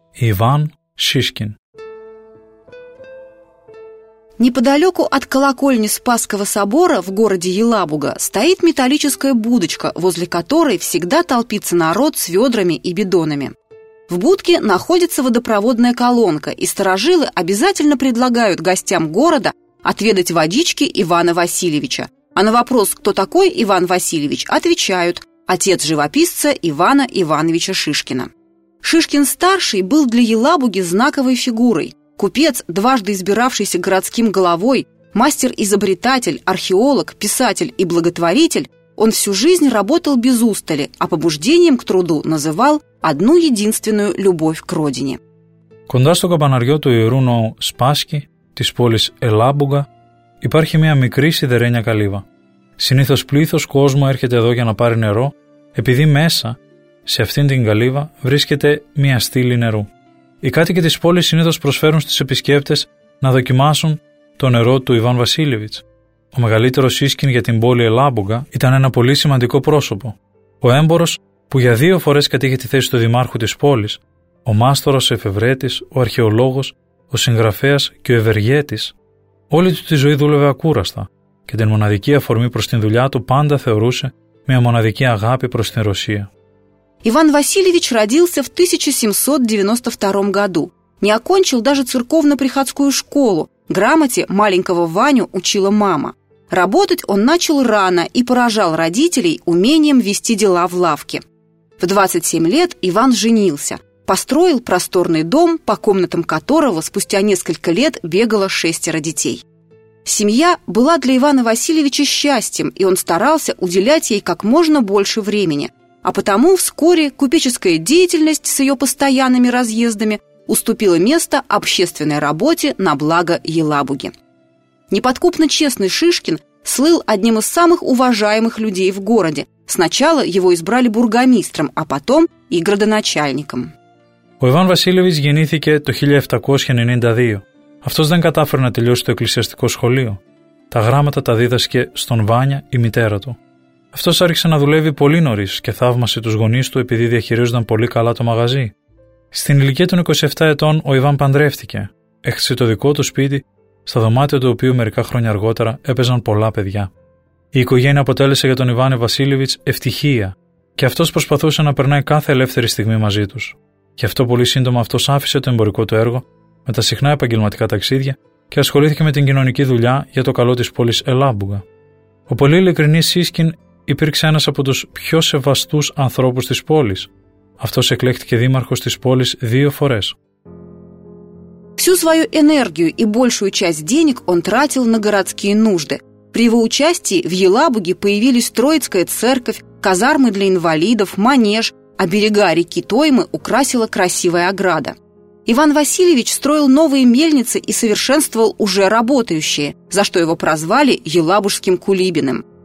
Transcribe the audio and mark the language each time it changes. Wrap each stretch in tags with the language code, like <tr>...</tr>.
<ru>Иван Шишкин. Неподалеку от колокольни Спасского собора в городе Елабуга стоит металлическая будочка, возле которой всегда толпится народ с ведрами и бидонами. В будке находится водопроводная колонка, и старожилы обязательно предлагают гостям города отведать водички Ивана Васильевича. А на вопрос, кто такой Иван Васильевич, отвечают – отец живописца Ивана Ивановича Шишкина. Шишкин-старший был для Елабуги знаковой фигурой. Купец, дважды избиравшийся городским головой, мастер-изобретатель, археолог, писатель и благотворитель, он всю жизнь работал без устали, а побуждением к труду называл одну единственную любовь к родине.</ru> <el>Кунда сто кабанарьё ту иеру ноу Спаски, тис полис Елабуга, υπάρχει μια μικρή σιδερένια καλύβα. Συνήθως πλήθος κόσμου έρχεται εδώ για να πάρει νερό, επειδή μέσα, σε αυτήν την καλύβα, βρίσκεται μια στήλη νερού. Οι κάτοικοι της πόλης συνήθως προσφέρουν στους επισκέπτες να δοκιμάσουν το νερό του Ιβάν Βασίλεβιτς. Ο μεγαλύτερος Σίσκιν για την πόλη Ελάμπουγκα ήταν ένα πολύ σημαντικό πρόσωπο. Ο έμπορος που για δύο φορές κατήχε τη θέση του δημάρχου της πόλης, ο μάστορας εφευρέτης, ο αρχαιολόγος, ο συγγραφέας και ο ευεργέτης. Όλη του τη ζωή δούλευε ακούραστα και την μοναδική αφορμή προς την δουλειά του πάντα θεωρούσε μια μοναδική αγάπη προς την Ρωσία.</el> <ru>Иван Васильевич родился в 1792 году. Не окончил даже церковно-приходскую школу. Грамоте маленького Ваню учила мама. Работать он начал рано и поражал родителей умением вести дела в лавке. В 27 лет Иван женился. Построил просторный дом, по комнатам которого спустя несколько лет бегало шестеро детей. Семья была для Ивана Васильевича счастьем, и он старался уделять ей как можно больше времени. А потому вскоре купеческая деятельность с ее постоянными разъездами уступила место общественной работе на благо Елабуги. Неподкупно честный Шишкин слыл одним из самых уважаемых людей в городе. Сначала его избрали бургомистром, а потом и градоначальником.</ru> <el>Ο Ιβάν Βασίλεβιτς γεννήθηκε το 1792. Αυτός δεν κατάφερε να τελειώσει το εκκλησιαστικό σχολείο. Τα γράμματα τα δίδασκε στον Βάνια η μητέρα του. Αυτός άρχισε να δουλεύει πολύ νωρίς και θαύμασε τους γονείς του επειδή διαχειρίζονταν πολύ καλά το μαγαζί. Στην ηλικία των 27 ετών ο Ιβάν παντρεύτηκε. Έχτισε το δικό του σπίτι, στα δωμάτια του οποίου μερικά χρόνια αργότερα έπαιζαν πολλά παιδιά. Η οικογένεια αποτέλεσε για τον Ιβάν Βασίλεβιτς ευτυχία και αυτός προσπαθούσε να περνάει κάθε ελεύθερη στιγμή μαζί τους. Γι' αυτό πολύ σύντομα αυτός άφησε το εμπορικό του έργο με τα συχνά επαγγελματικά ταξίδια και ασχολήθηκε με την κοινωνική δουλειά για το καλό της πόλης Ελάμπουγα. Ο πολύ ειλικρινής Σίσκιν υπήρξε ένας από τους πιο σεβαστούς ανθρώπους της πόλης. Αυτός εκλέχτηκε δήμαρχος της πόλης 2 φορές.</el> <ru>Всю свою энергию и большую часть денег он тратил на городские нужды. При его участии в Елабуге появились Троицкая церковь, казармы для инвалидов, манеж, а берега реки Тоймы украсила красивая ограда. Иван Васильевич строил новые мельницы и совершенствовал уже работающие, за что его прозвали Елабужским Кулибиным.</ru>